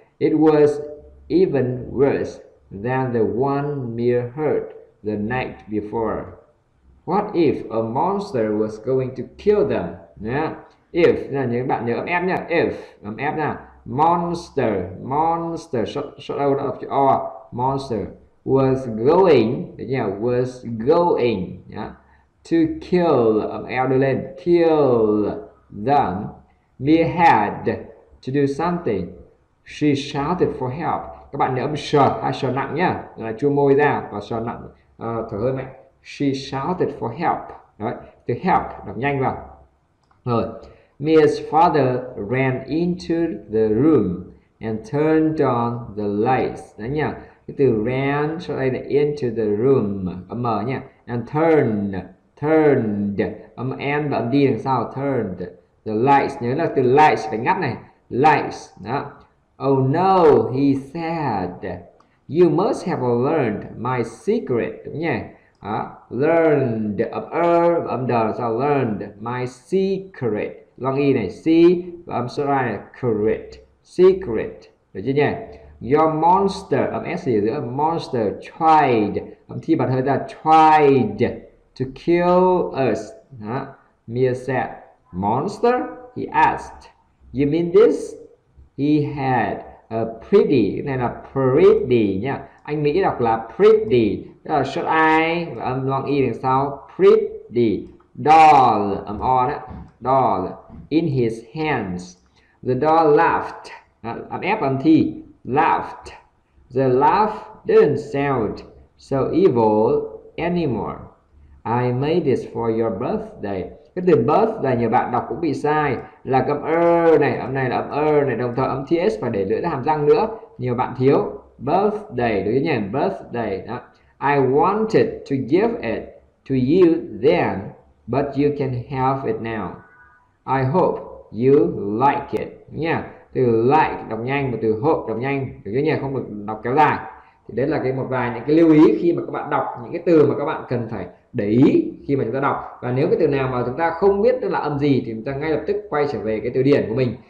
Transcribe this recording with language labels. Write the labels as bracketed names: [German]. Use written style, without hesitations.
[English] It was even worse than the one Mia heard the night before. What if a monster was going to kill them? Yeah. [Vietnamese] If là những bạn nhớ âm F nha. If âm F nha. Monster, monster. Sau đâu đã đọc chữ O. Monster was going, đấy nha. [English] Was going, to kill [Vietnamese] âm L đưa lên. [English] Kill them. Mia had to do something. She shouted for help. [Vietnamese] Các bạn nhớ âm sờ hay sờ nặng nhá, là chu môi ra và sờ nặng, thở hơi mạnh. [English] She shouted for help. Đấy, to help [Vietnamese] đọc nhanh vào. [English] Rồi, Mia's father ran into the room and turned on the lights. [Vietnamese] Đấy nha. Cái từ ran sau đây là into the room, âm m nha. [English] And turned, [Vietnamese] âm n và âm d đằng sau, turned the lights. Nhớ là từ lights phải ngắt này, lights. [English] Đó. Oh no, he said. You must have learned my secret, [Vietnamese] đúng nhỉ? Đó. Learned, âm er, âm đờ, sao learned my secret. Long y này, c và âm số này, secret, secret, được chưa nhỉ? Your monster, âm s gì giữa, monster tried, âm thi bật hơi ra, [English] tried to kill us. [Vietnamese] Đó. [English] Mia said, monster? He asked, you mean this? He had a pretty, [Vietnamese] cái này là [English] pretty nha. [Vietnamese] Anh Mỹ đọc là pretty, tức là short i và âm long i đằng sau, pretty doll, âm o đó, [English] doll in his hands. The doll laughed, âm f âm thi, laughed. The laugh didn't sound so evil anymore. I made this for your birthday. [Vietnamese] Cái từ birth là nhiều bạn đọc cũng bị sai, là âm này, âm này là âm này, đồng thời âm th phải để lưỡi hàm răng nữa, nhiều bạn thiếu birthday, đúng không nhỉ? Birthday đó. [English] I wanted to give it to you then, but you can have it now. I hope you like it. [Vietnamese] Nha. Từ like đọc nhanh và từ hope đọc nhanh, đúng không nhỉ? Không được đọc kéo dài. Thì đấy là cái một vài những cái lưu ý khi mà các bạn đọc những cái từ mà các bạn cần phải để ý khi mà chúng ta đọc. Và nếu cái từ nào mà chúng ta không biết tức là âm gì thì chúng ta ngay lập tức quay trở về cái từ điển của mình.